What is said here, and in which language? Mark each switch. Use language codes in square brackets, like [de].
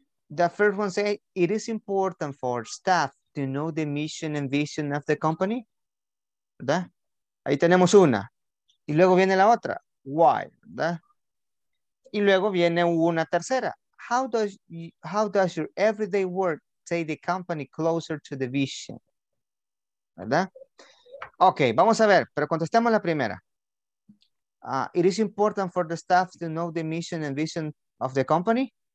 [en] The first one says, it is important for staff to know the mission and vision of the company. [es] ¿Verdad? Ahí tenemos una. Y luego viene la otra, why, ¿verdad? Y luego viene una tercera. [en] How does your everyday work take the company closer to the vision? [es] ¿Verdad? Ok, vamos a ver, pero contestemos la primera. [en] It is important for the staff to know the mission and vision of the company.